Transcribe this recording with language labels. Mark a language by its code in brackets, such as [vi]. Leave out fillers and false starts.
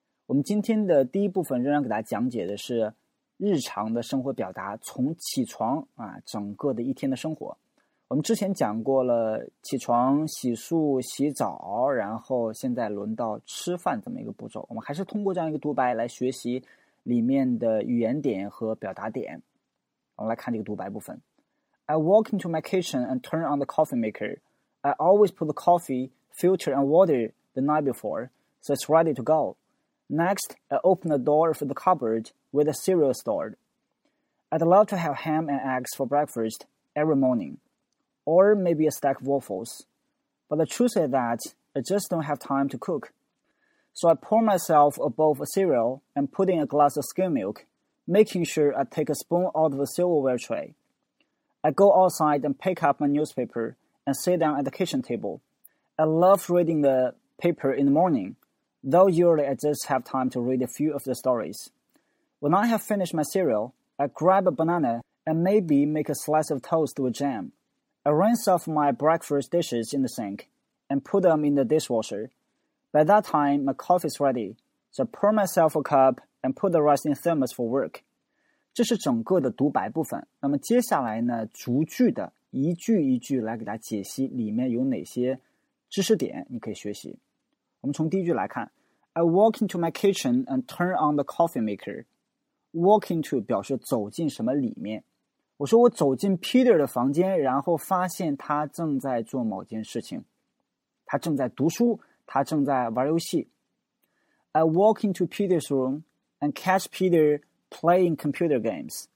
[zh] 我们今天的第一部分仍然给大家讲解的是日常的生活表达，从起床啊，整个的一天的生活。我们之前讲过了起床、洗漱、洗澡，然后现在轮到吃饭这么一个步骤。我们还是通过这样一个独白来学习里面的语言点和表达点。我们来看这个独白部分。 [en] I walk into my kitchen and turn on the coffee maker. I always put the coffee, filter and water the night before, so it's ready to go. Next, I open the door for the cupboard with the cereal stored. I'd love to have ham and eggs for breakfast every morning, or maybe a stack of waffles. But the truth is that I just don't have time to cook. So I pour myself a bowl of cereal and put in a glass of skim milk, making sure I take a spoon out of the silverware tray. I go outside and pick up my newspaper and sit down at the kitchen table. I love reading the paper in the morning, though usually I just have time to read a few of the stories. When I have finished my cereal, I grab a banana and maybe make a slice of toast with jam. I rinse off my breakfast dishes in the sink and put them in the dishwasher. By that time, my coffee is ready, so I pour myself a cup and put the rest in the thermos for work. [zh] 这是整个的独白部分。那么接下来呢，逐句的一句一句来给大家解析里面有哪些知识点你可以学习。我们从第一句来看， [en] I walk into my kitchen and turn on the coffee maker. Walk into [zh] 表示走进什么里面。我说我走进 Peter 的房间，然后发现他正在做某件事情，他正在读书，他正在玩游戏。 [en] I walk into Peter's room and catch PeterPlaying computer games.